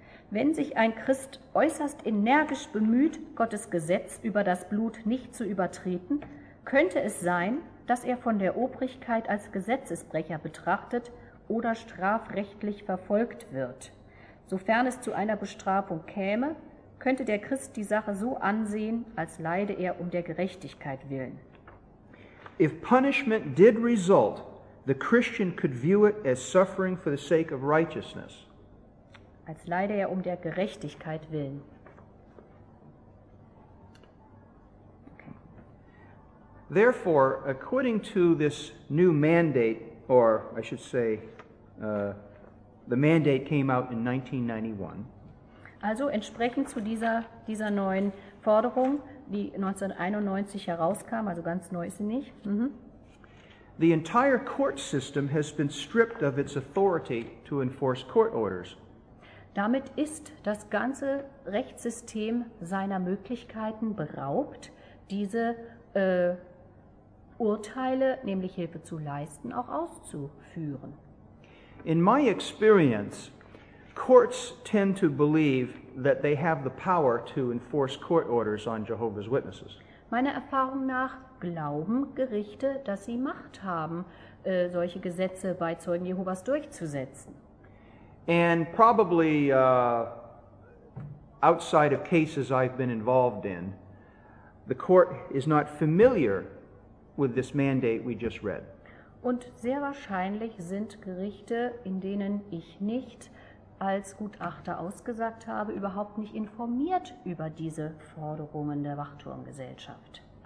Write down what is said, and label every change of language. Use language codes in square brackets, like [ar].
[de] Wenn sich ein Christ äußerst energisch bemüht, Gottes Gesetz über das Blut nicht zu übertreten, könnte es sein, dass er von der Obrigkeit als Gesetzesbrecher betrachtet oder strafrechtlich verfolgt wird. Sofern es zu einer Bestrafung käme, könnte der Christ die Sache so ansehen, als leide er um der Gerechtigkeit willen. [en] If punishment did result, the Christian could view it as suffering for the sake of righteousness. [de] Als leide er um der Gerechtigkeit willen. Okay. [en] Therefore, according to this new mandate, or I should say, the mandate came out in 1991. [de] Also entsprechend zu dieser neuen Forderung, die 1991 herauskam, also ganz neu ist sie nicht. [en] The entire court system has been stripped of its authority to enforce court orders. [de] Damit ist das ganze Rechtssystem seiner Möglichkeiten beraubt, diese Urteile, nämlich Hilfe zu leisten, auch auszuführen. [en] In my experience, courts tend to believe that they have the power to enforce court orders on Jehovah's Witnesses. [de] Meiner Erfahrung nach glauben Gerichte, dass sie Macht haben, solche Gesetze bei Zeugen Jehovas durchzusetzen. [en] And probably outside of cases I've been involved in, the court is not familiar with this mandate we just read. [de] Und sehr wahrscheinlich sind Gerichte, in denen ich nicht als Gutachter ausgesagt habe, überhaupt nicht informiert über diese Forderungen der Wachturmgesellschaft.